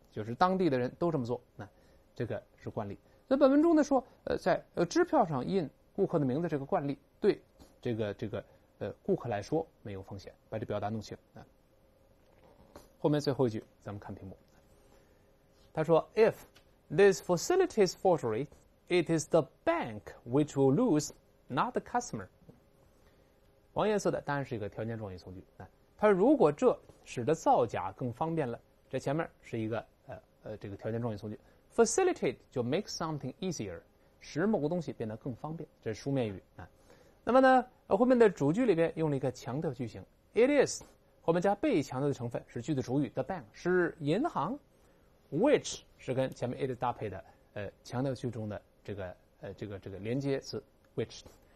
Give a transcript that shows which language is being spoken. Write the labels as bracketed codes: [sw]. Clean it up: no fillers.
[zh] 就是当地的人都这么做，那这个是惯例。那本文中呢说，在支票上印顾客的名字这个惯例，对这个顾客来说没有风险，把这表达弄清。后面最后一句，咱们看屏幕。他说 ， [en] If this facility is forgery, it is the bank which will lose, not the customer。 [zh] 黄颜色的当然是一个条件状语从句。他如果这使得造假更方便了。这前面是一个这个条件状语从句 ，facilitate 就 [en] make something easier， [zh] 使某个东西变得更方便，这是书面语啊。那么呢，后面的主句里面用了一个强调句型 ，it is 后面加被强调的成分是句的主语 ，the bank 是银行 ，which 是跟前面 it 搭配的强调句中的这个连接词 which。